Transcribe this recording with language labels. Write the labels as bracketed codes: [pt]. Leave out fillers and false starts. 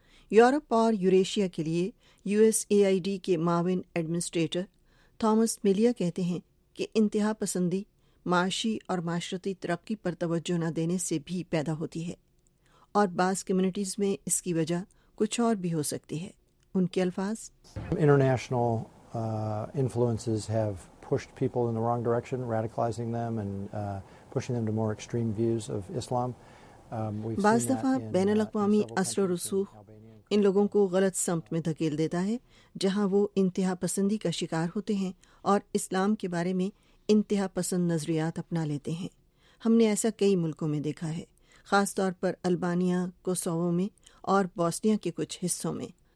[ur] Europe اور Eurasia کے لیے U S A I D کے معاون ایڈمنسٹریٹر تھامس میلیا کہتے ہیں کہ انتہا پسندی معاشی اور معاشرتی ترقی پر توجہ نہ دینے سے بھی پیدا ہوتی ہے، اور بعض کمیونٹیز میں اس کی وجہ کچھ اور بھی ہو سکتی ہے. ان کے الفاظ، [en] International influences have pushed people in the wrong direction, radicalizing them and pushing them to more extreme views of Islam. [ur] بعض دفعہ بین الاقوامی اثر و رسوخ ان لوگوں کو غلط سمت میں دھکیل دیتا ہے جہاں وہ انتہا پسندی کا شکار ہوتے ہیں اور اسلام کے بارے میں انتہا پسند نظریات اپنا لیتے ہیں. ہم نے ایسا کئی ملکوں میں دیکھا ہے، خاص طور پر البانیا، کوسوو میں اور بوسنیا کے کچھ حصوں میں.